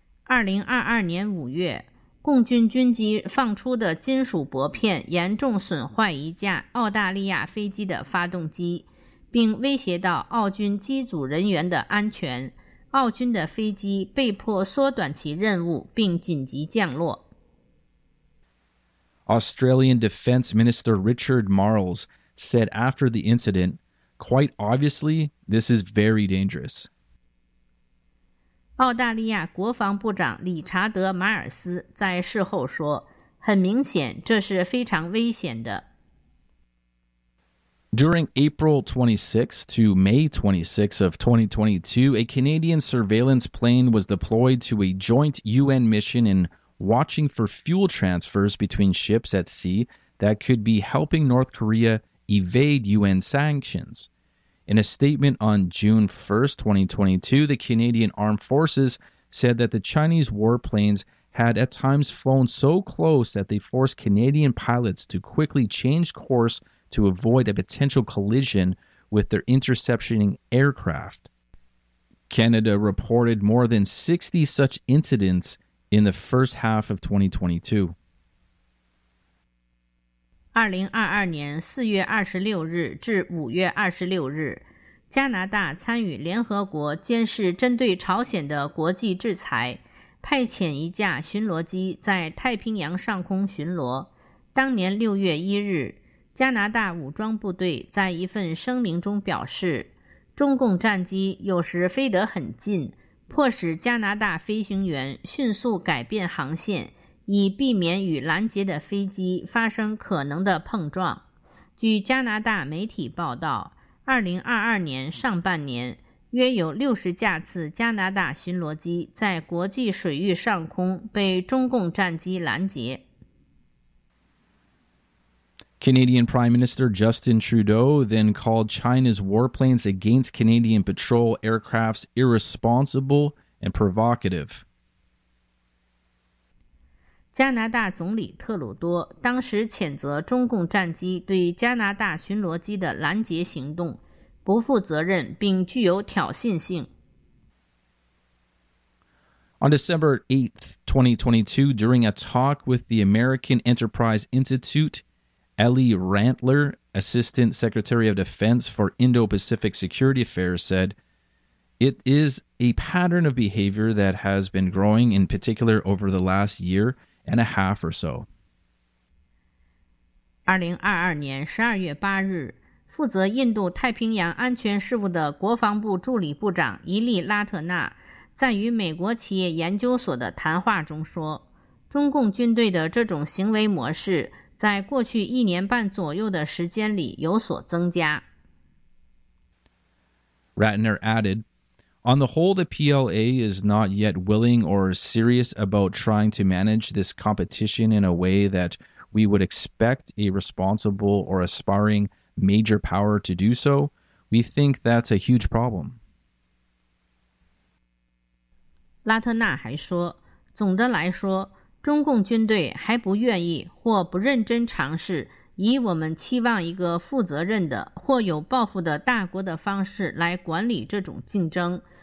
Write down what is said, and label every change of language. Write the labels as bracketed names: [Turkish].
[Chinese] 2022年5月，共军军机放出的金属薄片严重损坏一架澳大利亚飞机的发动机，并威胁到澳军机组人员的安全。澳军的飞机被迫缩短其任务，并紧急降落。 [English] Australian Defence Minister Richard Marles said after the incident, "Quite obviously, this is very dangerous." [Chinese] 澳大利亚国防部长理查德·马尔斯在事后说，很明显，这是非常危险的。 [English] During April 26 to May 26 of 2022, a Canadian surveillance plane was deployed to a joint UN mission in watching for fuel transfers between ships at sea that could be helping North Korea evade UN sanctions. In a statement on June 1, 2022, the Canadian Armed Forces said that the Chinese warplanes had at times flown so close that they forced Canadian pilots to quickly change course to avoid a potential collision with their interceptioning aircraft. Canada reported more than 60 such incidents in the first half of 2022. [Chinese] 2022年4月26日至5月26日，加拿大参与联合国监视针对朝鲜的国际制裁，派遣一架巡逻机在太平洋上空巡逻。当年6月1日，加拿大武装部队在一份声明中表示，中共战机有时飞得很近，迫使加拿大飞行员迅速改变航线，以避免与拦截的飞机发生可能的碰撞。据加拿大媒体报道，2022年上半年，约有60架次加拿大巡逻机在国际水域上空被中共战机拦截。 [English] Canadian Prime Minister Justin Trudeau then called China's warplanes against Canadian patrol aircrafts irresponsible and provocative. [Chinese] 加拿大总理特鲁多当时谴责中共战机对加拿大巡逻机的拦截行动，不负责任并具有挑衅性。 [English] On December 8, 2022, during a talk with the American Enterprise Institute,Ellie Rantler, Assistant Secretary of Defense for Indo-Pacific Security Affairs, said, "It is a pattern of behavior that has been growing in particular over the last year and a half or so." [Chinese] 2022年12月8日，负责印度太平洋安全事务的国防部助理部长伊利拉特纳在与美国企业研究所的谈话中说，中共军队的这种行为模式在过去一年半左右的时间里有所增加。 [English] Ratner added, "On the whole, the PLA is not yet willing or serious about trying to manage this competition in a way that we would expect a responsible or aspiring major power to do so. We think that's a huge problem." [Chinese] 拉特纳还说，总的来说，中共军队还不愿意或不认真尝试以我们期望一个负责任的或有抱负的大国的方式来管理这种竞争。